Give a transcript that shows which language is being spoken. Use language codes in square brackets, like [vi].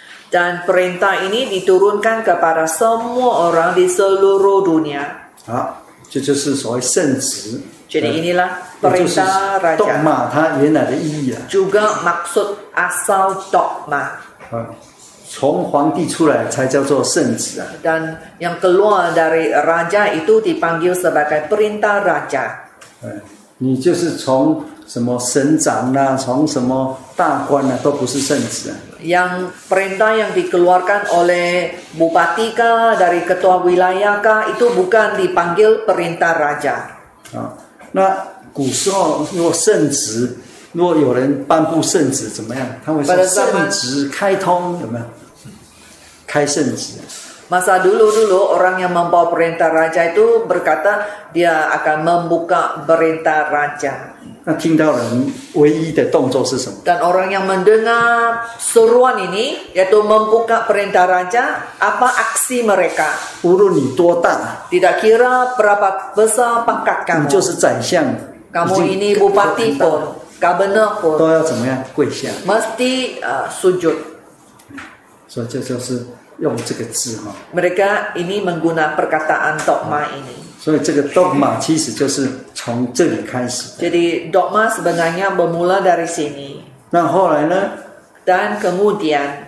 [ms] Dan perintah ini diturunkan kepada semua orang di seluruh dunia。 [zh] 这就是所谓圣旨。 [ms] Jadi inilah perintah raja。 [zh] 就是 dogma 它原来的意义啊。 [ms] Juga maksud asal dogma。 [zh] 从皇帝出来才叫做圣旨啊。 [ms] Dan yang keluar dari raja itu dipanggil sebagai perintah raja。 [zh] 你就是从什么省长啊，从什么大官啊，都不是圣旨啊。 [ms] Yang perintah yang dikeluarkan oleh bupati kah, dari ketua wilayah kah, itu bukan dipanggil perintah raja。 [zh] 那古时候若圣旨，若有人颁布圣旨怎么样？他会说圣旨开通，有没有？开圣旨。 [ms] Masa dulu-dulu orang yang membawa perintah raja itu berkata dia akan membuka perintah raja。 [zh] 那听到人唯一的动作是什么？ [ms] Dan orang yang mendengar seruan ini yaitu membuka perintah raja, apa aksi mereka? [zh] 无论你多大， [ms] tidak kira berapa besar pangkat kamu, [zh] 你就是宰相， [ms] kamu ini bupati pun, governor pun, [zh] 都要怎么样跪下？ [ms] Mesti sujud。 [zh] 所以这就是用这个字哈。 [ms] Mereka ini menggunakan perkataan dogma ini。 [zh] 所以这个 dogma 其实就是从这里开始。 [ms] Jadi dogma sebenarnya bermula dari sini。 [zh] 那后来呢？ [ms] Dan kemudian。